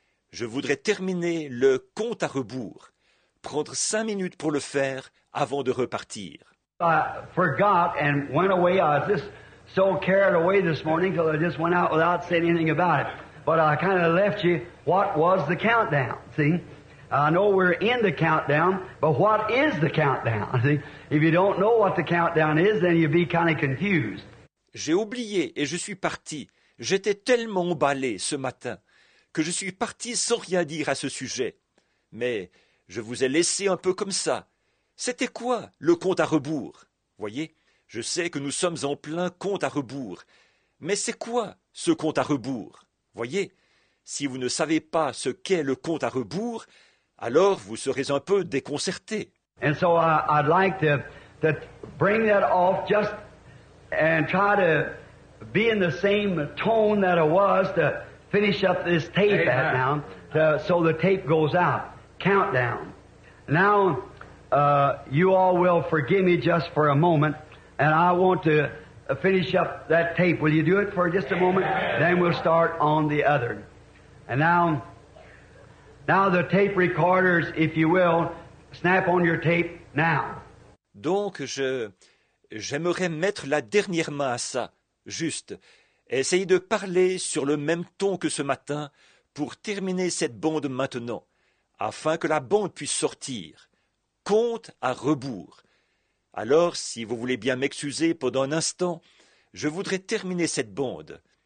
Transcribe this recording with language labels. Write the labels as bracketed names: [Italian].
[French] Je voudrais terminer le compte à rebours, prendre 5 minutes pour le faire avant de repartir. [English] I forgot and went away. I was just so carried away this morning because I just went out without saying anything about it. But I kind of left you what was the countdown, see? I know we're in the countdown, but what is the countdown? See, if you don't know what the countdown is, then you'd be kind of confused. [French] J'ai oublié et je suis parti. J'étais tellement emballé ce matin que je suis parti sans rien dire à ce sujet. Mais je vous ai laissé un peu comme ça. C'était quoi le compte à rebours? Voyez, je sais que nous sommes en plein compte à rebours. Mais c'est quoi ce compte à rebours? Voyez, si vous ne savez pas ce qu'est le compte à rebours, alors vous serez un peu déconcerté. [English] And so I'd like to bring that off just and try to be in the same tone that I was to finish up this tape at now, so the tape goes out. Countdown. Now, you all will forgive me just for a moment, and I want to finish up that tape. Will you do it for just a moment? Then we'll start on the other. And now the tape recorders, if you will, snap on your tape now. [French] Donc, j'aimerais mettre la dernière main à ça, juste. Essayez de parler sur le même ton que ce matin pour terminer cette bande maintenant, afin que la bande puisse sortir. Compte à rebours. Alors, si vous voulez bien m'excuser pendant un instant, je voudrais terminer cette bande.